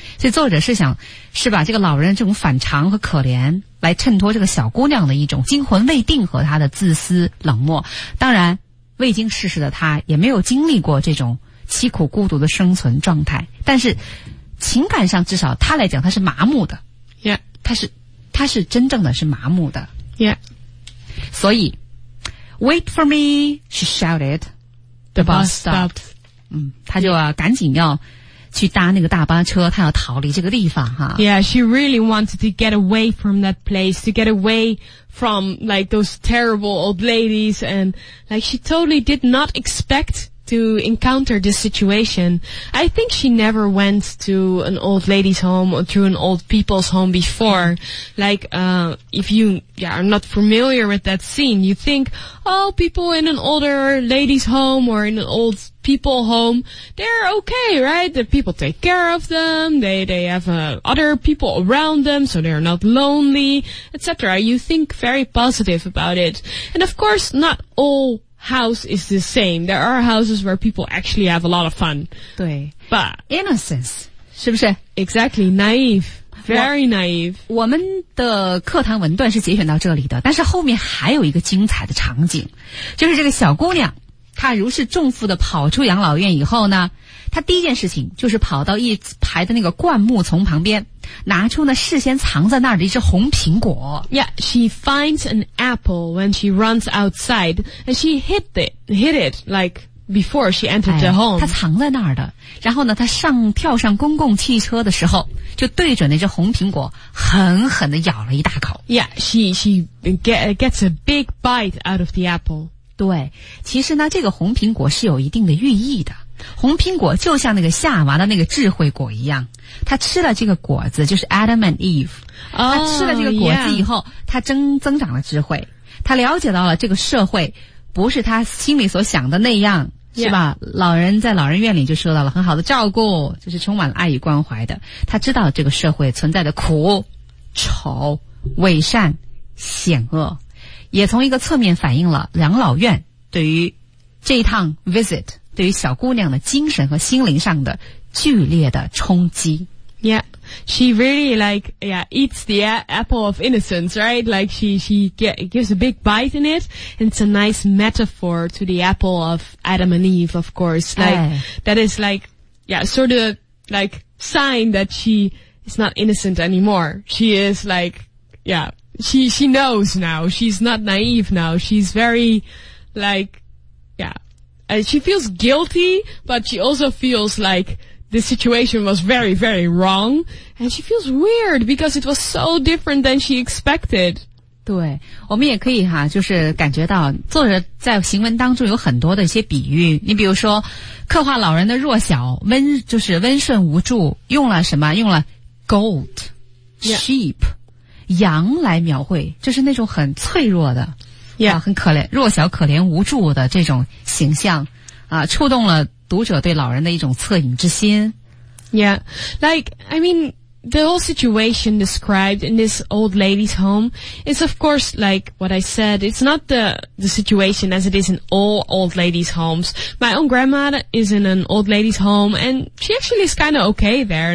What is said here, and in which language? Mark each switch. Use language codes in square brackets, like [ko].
[zh] 所以作者是想，是把这个老人这种反常和可怜，来衬托这个小姑娘的一种惊魂未定和她的自私冷漠。当然，未经世事的她也没有经历过这种凄苦孤独的生存状态，但是。情感上至少他来讲他是麻木的 [en] yeah [zh] 他是真正的是麻木的 [en] yeah [zh] 所以 [en] wait for me she shouted the bus stopped [zh] 他就、啊 yeah. 赶紧要去搭那个大巴车他要逃离这个地方哈 [en] yeah she really wanted to get away from that place to get away from like those terrible old ladies and like she totally did not expectto encounter this situation. I think she never went to an old lady's home or to an old people's home before. Like, if you, yeah, are not familiar with that scene, you think, oh, people in an older lady's home or in an old people home, they're okay, right? The people take care of them, they have, other people around them, so they're not lonely, etc. You think very positive about it. And of course, not all house is the same. There are houses where people actually have a lot of fun. [zh] 对 [en] But [zh] innocence, 是不是 [en] Exactly, naive, very naive. [zh] 我们的课堂文段是节选到这里的，但是后面还有一个精彩的场景，就是这个小姑娘，她如释重负地跑出养老院以后呢，她第一件事情就是跑到一排的那个灌木丛旁边，拿出呢事先藏在那儿的一只红苹果。 [en] Yeah, she finds an apple when she runs outside, and she hid it like before she entered the home. [zh] 她藏在那儿的，然后呢，她跳上公共汽车的时候，就对准那只红苹果狠狠地咬了一大口。 [en] Yeah, she gets a big bite out of the apple. [zh] 对，其实呢，这个红苹果是有一定的寓意的。红苹果就像那个夏娃的那个智慧果一样，他吃了这个果子，就是 Adam and Eve。哦，他吃了这个果子以后，他、 [en] yeah. [zh] 增长了智慧，他了解到了这个社会不是他心里所想的那样，是吧？ [en] Yeah. [zh] 老人在老人院里就受到了很好的照顾，就是充满了爱与关怀的。他知道这个社会存在的苦、丑、伪善、险恶，也从一个侧面反映了养老院对于这一趟 visit。对于小姑娘的精神和心灵上的剧烈的冲击。 [en] Yeah, she really like, yeah, eats the apple of innocence, right? Like she gives a big bite in it, and it's a nice metaphor to the apple of Adam and Eve, of course. Like, that is like, yeah, sort of like sign that she is not innocent anymore. She is like, yeah, she knows now. She's not naive now. She's very like, yeah. She feels guilty, but she also feels like the situation was very, very wrong. And she feels weird because it was so different than she expected. [zh] 对，我们也可以哈，就是感觉到作者在行文当中有很多的一些比喻。你比如说，刻画老人的弱小，温顺无助，用了什么？用了 goat,、 [en] yeah. [zh] sheep, 羊来描绘，就是那种很脆弱的。 [en] Yeah. [zh] 很可怜弱小可怜无助的这种形象啊，触动了读者对老人的一种恻隐之心。 [en] Yeah, like, I mean, the whole situation described in this old lady's home is, of course, like what I said, it's not the situation as it is in all old ladies' homes. My own grandmother is in an old lady's home, and she actually is kind of okay there.